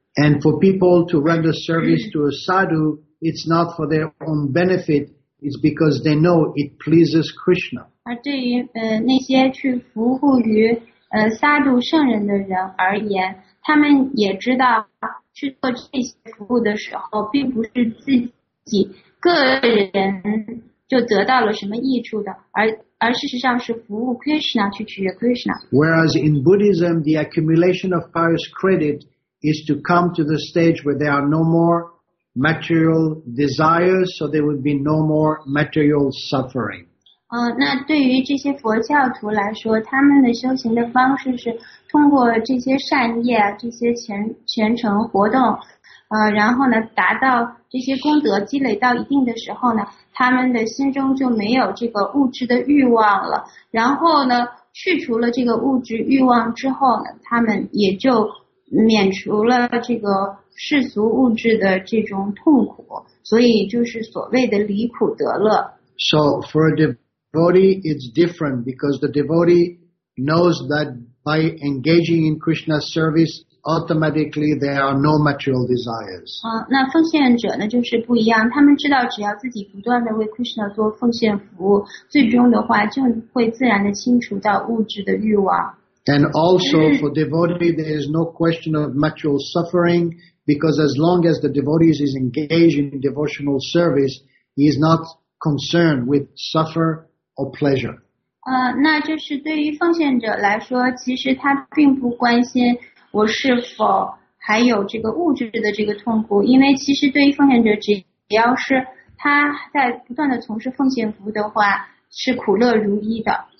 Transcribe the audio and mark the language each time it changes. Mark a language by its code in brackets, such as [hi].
[en] And for people to render service to a sadhu, it's not for their own benefit, it's because they know it pleases Krishna. [zh] 而对于那些去服务于萨度圣人的人而言，他们也知道去做这些服务的时候，并不是自己个人就得到了什么益处的，而事实上是服务 Krishna 去取悦 Krishna。 [en] Whereas in Buddhism, the accumulation of pious credit is to come to the stage where there are no more material desires, so there would be no more material suffering. [zh] 那对于这些佛教徒来说，他们的修行的方式是通过这些善业、这些虔诚活动，然后呢，达到这些功德积累到一定的时候呢，他们的心中就没有这个物质的欲望了。然后呢，去除了这个物质欲望之后呢，他们也就免除了这个世俗物质的这种痛苦。所以就是所谓的离苦得乐。 [en] So for a devotee, it's different because the devotee knows that by engaging in Krishna's service. Automatically, there are no material desires. [zh] 那奉献者呢，就是不一样。他们知道，只要自己不断的为 Krishna 做奉献服务，最终的话就会自然的清除到物质的欲望。 [en] And also, for devotee, there is no question of material suffering because as long as the devotee is engaged in devotional service, he is not concerned with suffer or pleasure. [zh] 那就是对于奉献者来说，其实他并不关心。我是否还有这个物质的这个痛苦？因为其实对于奉献者，只要是他在不断的从事奉献服务的话，是苦乐如一的。